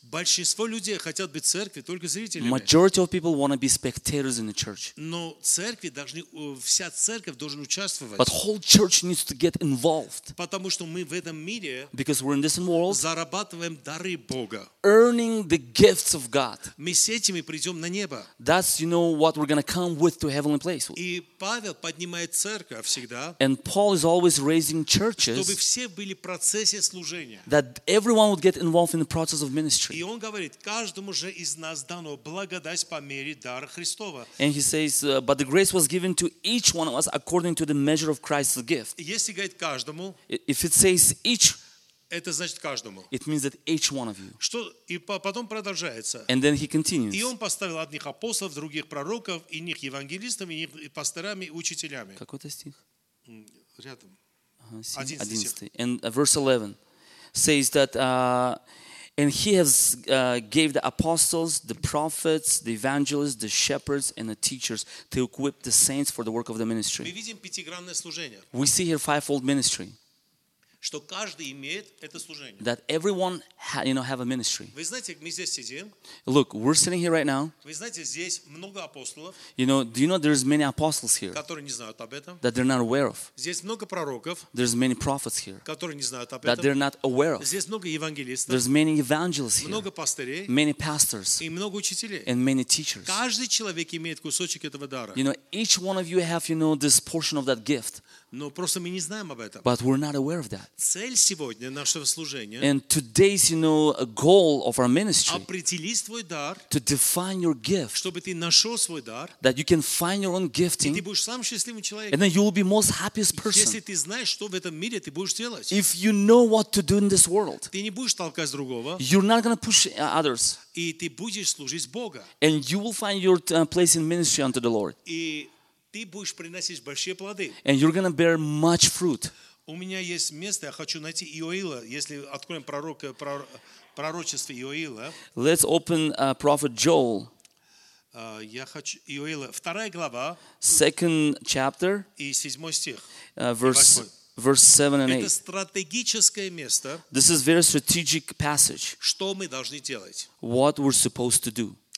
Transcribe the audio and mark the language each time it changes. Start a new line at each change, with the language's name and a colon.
Russian: Большинство людей хотят быть церкви только зрителями.
English: Majority of people want to be spectators in the church.
Russian: Но церкви должны вся церковь должна участвовать.
English: But whole church needs to get involved.
Russian: Потому что мы в этом мире,
English: because we're in this world,
Russian: зарабатываем дары Бога.
English: Earning the gifts of God.
Russian: Мы с этими придем на небо.
English: That's, you know, what we're gonna come with to heavenly place.
Russian: И Павел поднимает церковь.
English: And Paul is always raising churches,
Russian: чтобы все были в процессе служения,
English: that everyone would get involved in the process of ministry.
Russian: И он говорит, каждому же из нас дано благодать по мере дара Христова.
English: And he says, but the grace was given to each one of us according to the measure of Christ's gift.
Russian: Если говорит каждому,
English: if it says each,
Russian: это значит каждому.
English: It means that each one of you.
Russian: Что и потом продолжается.
English: And then he continues.
Russian: И он поставил одних апостолов, других пророков, иных евангелистов, иных пастырами, учителями. Какой-то стих. рядом. 11.
English: And verse 11 says that and he has gave the apostles, the prophets, the evangelists, the shepherds, and the teachers to equip the saints for the work of the ministry.
Russian: Мы видим пятигранное служение.
English: We see here fivefold ministry.
Russian: Что каждый имеет это служение.
English: That everyone you know have a ministry.
Russian: Вы знаете, мы здесь сидим.
English: Look, we're sitting here right now.
Russian: Вы знаете, здесь много апостолов.
English: You know, do you know there's many apostles here?
Russian: Которые не знают об этом.
English: That they're not aware of.
Russian: Здесь много пророков.
English: There's many prophets here.
Russian: Которые не знают об этом.
English: That they're not aware of.
Russian: Здесь много евангелистов.
English: There's many evangelists here.
Russian: Много пастырей.
English: Many pastors.
Russian: И много учителей.
English: And many teachers.
Russian: Каждый человек имеет кусочек этого дара.
English: You know, each one of you have you know this portion of that gift.
Russian: Но просто мы не знаем об этом.
English: But we're not aware of that.
Russian: Цель сегодня нашего служения.
English: And today's, you know, goal of our ministry.
Russian: Определи свой дар.
English: To define your gift.
Russian: Чтобы ты нашел свой дар.
English: That you can find your own gifting.
Russian: И ты будешь самым счастливым человеком.
English: And then you will be most happiest person.
Russian: Если ты знаешь, что в этом мире ты будешь делать.
English: If you know what to do in this world.
Russian: Ты не будешь толкать другого.
English: You're not going to push others.
Russian: И ты будешь служить Богу.
English: And you will find your place in ministry unto the Lord.
Russian: И ты будешь приносить большие плоды.
English: And you're going to bear much fruit.
Russian: У меня есть место, я хочу найти Иоила, если откроем пророчество Иоила.
English: Let's open prophet Joel.
Russian: Я хочу Иоила, вторая глава.
English: Second chapter.
Russian: И седьмой стих.
English: Verse 7 and 8.
Russian: Это стратегическое место.
English: This is very strategic passage.
Russian: Что мы должны делать?
English: What we're supposed to do.